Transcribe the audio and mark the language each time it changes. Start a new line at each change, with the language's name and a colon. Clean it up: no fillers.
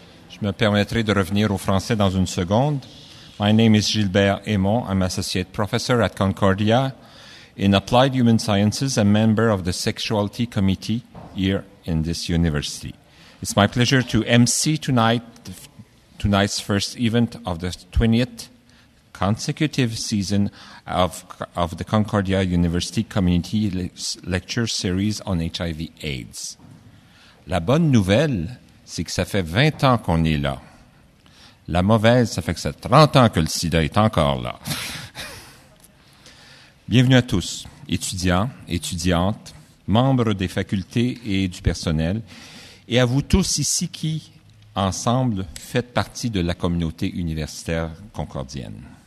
French: Je me permettrai de revenir au français dans une seconde.
English: My name is Gilbert Aymond. I'm associate professor at Concordia in Applied Human Sciences and member of the Sexuality Committee here in this university. It's my pleasure to MC tonight's first event of the 20th consecutive season of the Concordia University Community Lecture Series on HIV/AIDS.
French: La bonne nouvelle, c'est que ça fait 20 ans qu'on est là. La mauvaise, ça fait que ça fait 30 ans que le sida est encore là. Bienvenue à tous, étudiants, étudiantes, membres des facultés et du personnel, et à vous tous ici qui, ensemble, faites partie de la communauté universitaire concordienne.